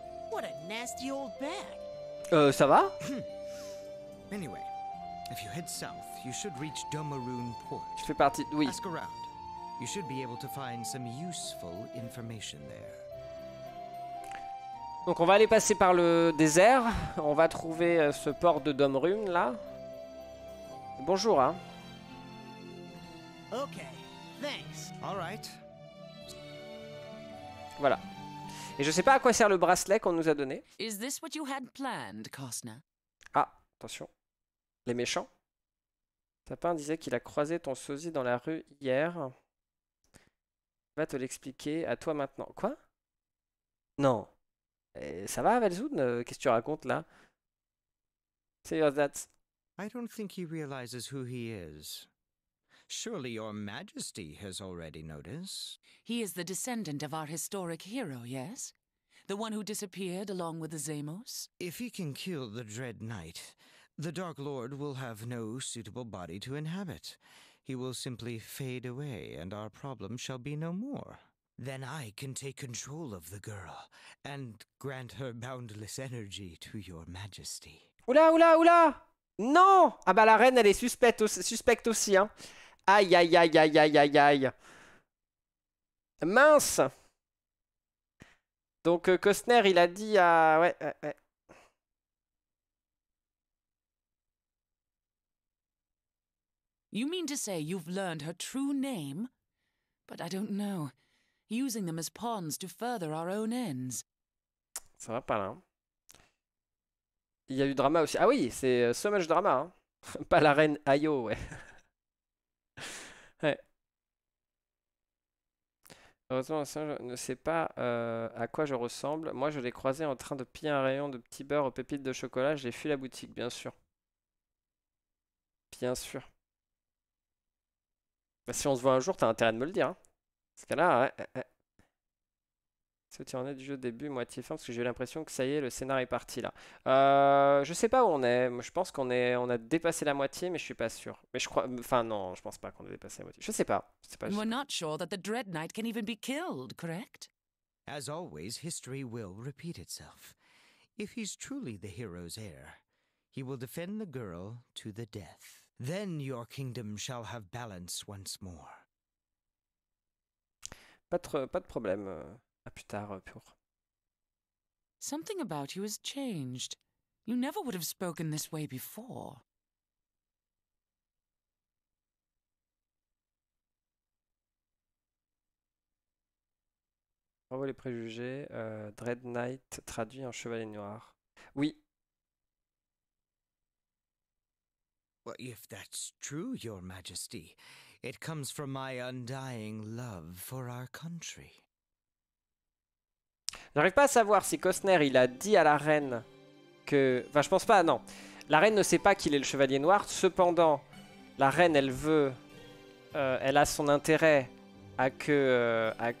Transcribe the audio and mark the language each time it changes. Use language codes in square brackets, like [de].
[en] What a nasty old bag. [fr] Ça va? [en] Anyway, if you head south, you should reach Domaroon Port. [fr] Je fais partie de... Oui. [en] Ask around. You should be able to find some useful information there. [fr] Donc on va aller passer par le désert. On va trouver ce port de Domrune là. Bonjour, hein. [en] Ok, thanks. All right. [fr] Voilà. Et je sais pas à quoi sert le bracelet qu'on nous a donné. [en] Is this what you had planned, Cosna? [fr] Ah, attention. Les méchants. Sapin disait qu'il a croisé ton sosie dans la rue hier. Va te l'expliquer à toi maintenant. Quoi? Non. Et ça va, Velzoun? Qu'est-ce que tu racontes là? [en] Serious that. I don't think he realizes who he is. Surely your majesty has already noticed. He is the descendant of our historic hero, yes? The one who disappeared along with the Zamos? If he can kill the Dread Knight, the Dark Lord will have no suitable body to inhabit. He will simply fade away, and our problem shall be no more. Then I can take control of the girl, and grant her boundless energy to your majesty. [fr] Oula, oula, oula! Non! Ah bah la reine, elle est suspecte aussi, hein. Aïe, aïe, aïe, aïe, aïe, aïe, aïe. Mince! Donc, Costner, il a dit à... Ouais. [en] You mean to say you've learned her true name? But I don't know. Using them as pawns to further our own ends. [fr] Ça va pas là. Hein. Il y a eu drama aussi. Ah oui, c'est [en] so much drama. [fr] Hein. Pas la reine Ayo, ouais. Ouais. Heureusement, je ne sais pas à quoi je ressemble. Moi, je l'ai croisé en train de piller un rayon de petit beurre aux pépites de chocolat. J'ai fui la boutique, bien sûr. Bien sûr. Bah, si on se voit un jour, t'as intérêt de me le dire. Hein. Parce que là, ouais. Ce qui en est du jeu début, moitié fin, parce que j'ai l'impression que ça y est, le scénar est parti là. Je sais pas où on est. Moi, je pense on a dépassé la moitié, mais je suis pas sûr. Mais je crois. Enfin, non, je pense pas qu'on a dépassé la moitié. Je sais pas. [en] We're not sure that the Dread Knight can even be killed, correct? As always, history will repeat itself. If he's truly the hero's heir, he will defend the girl to the death. Then your kingdom shall have balance once more. [fr] Pas de problème. À plus tard, pour. [en] Something about you has changed. You never would have spoken this way before. [fr] Bravo les préjugés. Dread Knight traduit en chevalier noir. Oui. [en] Well, if that's true, Your Majesty, it comes from my undying love for our country. [fr] J'arrive pas à savoir si Costner il a dit à la reine que... Enfin je pense pas, non. La reine ne sait pas qu'il est le chevalier noir, cependant la reine elle veut... elle a son intérêt à que...